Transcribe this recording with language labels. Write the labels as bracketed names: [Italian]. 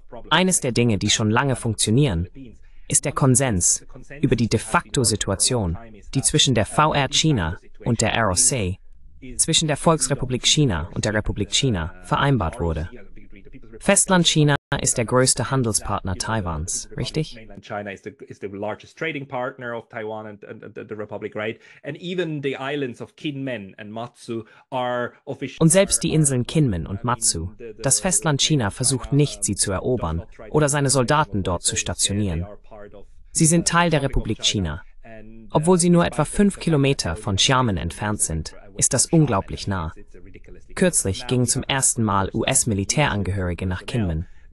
[German] Eines der Dinge, die schon lange funktionieren, ist der Konsens über die de facto Situation, die zwischen der VR China und der ROC, zwischen der Volksrepublik China und der Republik China vereinbart wurde. Festland China ist der größte Handelspartner Taiwans, richtig? [English] China is the largest trading partner of Taiwan and the Republic, right? And even the islands of Kinmen and Matsu are official. [German] Und selbst die Inseln Kinmen und Matsu, das Festland China versucht nicht, sie zu erobern oder seine Soldaten dort zu stationieren. Sie sind Teil der Republik China. Obwohl sie nur etwa 5 Kilometer von Xiamen entfernt sind, ist das unglaublich nah. Kürzlich gingen zum ersten Mal US-Militärangehörige nach Kinmen.